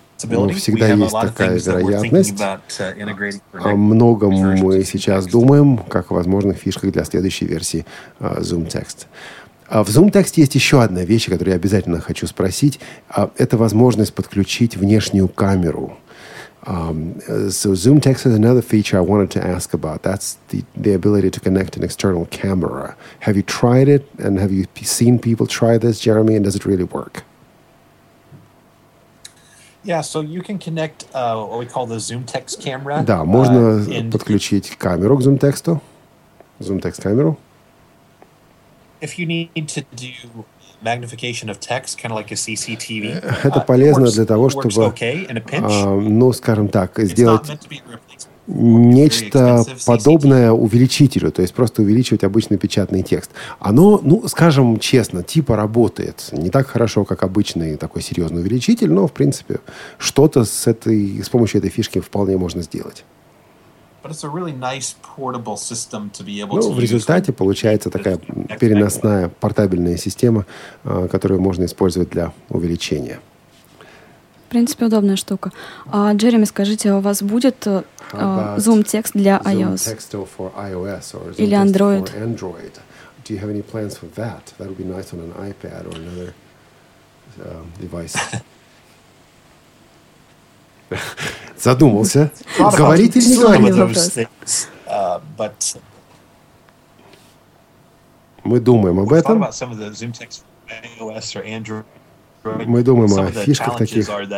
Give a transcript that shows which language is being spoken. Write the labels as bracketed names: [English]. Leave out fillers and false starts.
[Russian] Ну, всегда есть такая вероятность. О многом мы сейчас думаем, как о возможных фишках для следующей версии Zoom Text. В Zoom Text есть еще одна вещь, которую я обязательно хочу спросить. Это возможность подключить внешнюю камеру. [English] So Zoom Text is another feature I wanted to ask about. That's the ability to connect an external camera. Have you tried it, and have you seen people try this, Jeremy, and does it really work? Yeah, so you can connect what we call the Zoom Text camera. [Russian] Да, можно подключить камеру к Zoom Text'у, Zoom Text камеру. [English] If you need to do magnification of text, kind of like a CCTV, [Russian] это полезно для того, чтобы, ну, скажем так, сделать нечто подобное увеличителю, то есть просто увеличивать обычный печатный текст. Оно, ну, скажем честно, типа работает. Не так хорошо, как обычный такой серьезный увеличитель, но, в принципе, что-то с этой, с помощью этой фишки вполне можно сделать. [English] But it's a really nice portable system to be able [Russian] ну, [English] to [Russian] в результате [English] use. [Russian] Получается такая переносная портабельная система, которую можно использовать для увеличения. В принципе, удобная штука. Джереми, скажите, у вас будет Zoom Text для iOS? Или Android? [English] Android? Do you have any plans for that? That would be nice on an iPad or another device. [Russian] Задумался. Говорить или не говорить? Мы думаем об этом. Мы думаем о фишках таких.